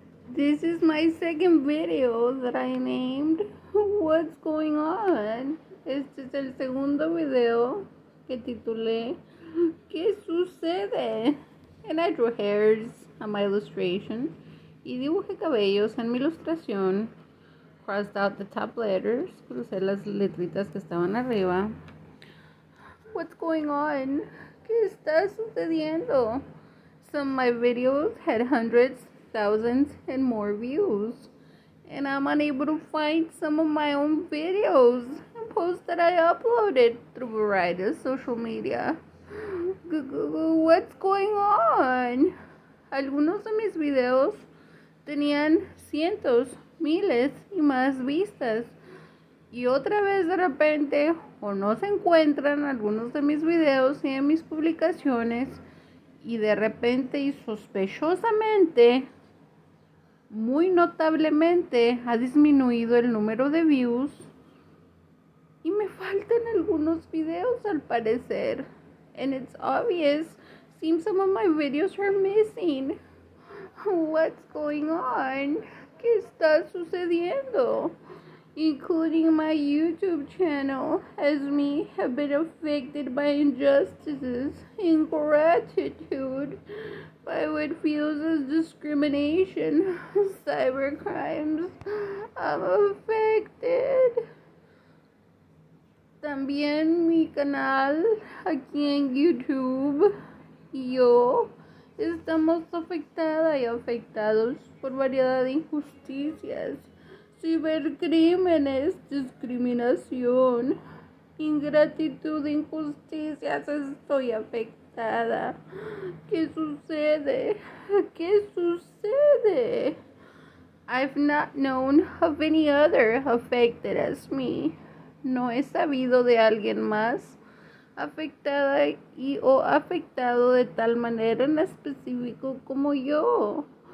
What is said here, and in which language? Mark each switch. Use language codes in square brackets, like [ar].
[en] This is my second video that I named. What's going on? [es] Este es el segundo video que titulé ¿Qué sucede? [en] And I drew hairs on my illustration. [es] Y dibujé cabellos en mi ilustración. [en] Crossed out the top letters. [es] Crucé las letritas que estaban arriba. [en] What's going on? [es] ¿Qué está sucediendo? [en] Some of my videos had hundreds, thousands, and more views. And I'm unable to find some of my own videos and posts that I uploaded through a variety of social media. What's going on? [es] Algunos de mis videos tenían cientos, miles, y más vistas. Y otra vez de repente, o no se encuentran algunos de mis videos y en mis publicaciones, y de repente y sospechosamente, muy notablemente, ha disminuido el número de views. Y me faltan algunos videos al parecer. [en] And it's obvious, seems some of my videos are missing. What's going on? [es] ¿Qué está sucediendo? [en] Including my YouTube channel, as me have been affected by injustices, ingratitude, by what feels as discrimination, cyber crimes. I'm affected. [es] También mi canal aquí en YouTube y yo estamos afectada y afectados por variedad de injusticias. Cibercrímenes, discriminación, ingratitud, injusticias, estoy afectada. ¿Qué sucede? ¿Qué sucede? [en] I've not known of any other affected as me. [es] No he sabido de alguien más afectada y o afectado de tal manera en específico como yo.